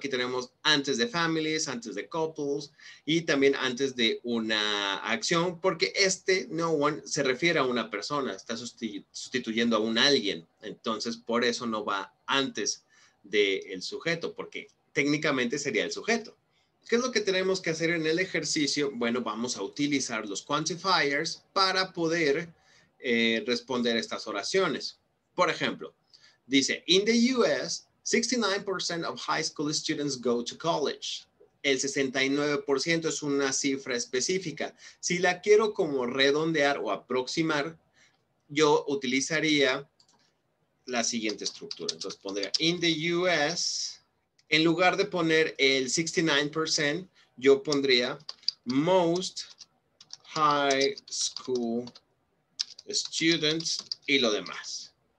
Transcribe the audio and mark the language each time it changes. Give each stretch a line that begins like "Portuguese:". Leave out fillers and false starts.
Spanish: Aquí tenemos antes de families, antes de couples y también antes de una acción, porque este no one se refiere a una persona, está sustituyendo a un alguien. Entonces, por eso no va antes del sujeto, porque técnicamente sería el sujeto. ¿Qué es lo que tenemos que hacer en el ejercicio? Bueno, vamos a utilizar los quantifiers para poder responder estas oraciones. Por ejemplo, dice,
English: in the US, 69% of high school students go to college.
Spanish: El 69% es una cifra específica. Si la quiero como redondear o aproximar, yo utilizaría la siguiente estructura. Entonces pondría,
English: in the US...
Spanish: En lugar de poner el 69%, yo pondría
English: most high school students
Spanish: y lo demás.